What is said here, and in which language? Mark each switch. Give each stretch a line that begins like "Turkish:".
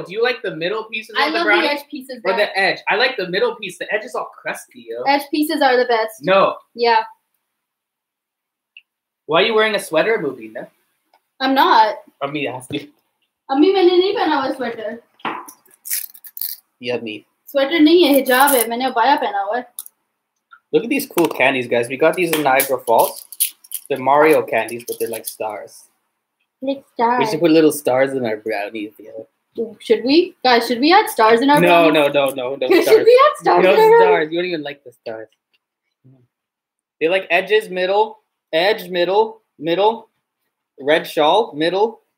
English: Do you like the middle pieces of the brownie? I love the edge pieces. Or the edge. I like the middle piece. The edge is all crusty, yo. Edge pieces are the best. No. Yeah. Why are you wearing a sweater, Mubina? I'm not. I'm me asking. I'm me when I didn't even have a sweater. Yeah, me.
Urdu: Sweater نہیں ہے، حجاب ہے۔ میں نے عبایا پہنا ہوا۔
English: Look at these cool candies, guys. We got these in Niagara Falls. They're Mario candies, but they're like stars. Stars. We should put little stars in our brownies. Yeah. Should we? Guys, should we add stars in our brownies? No stars. Should we add stars in our stars. You don't even like the stars. They like edges, middle, edge, middle, middle, red shawl, middle.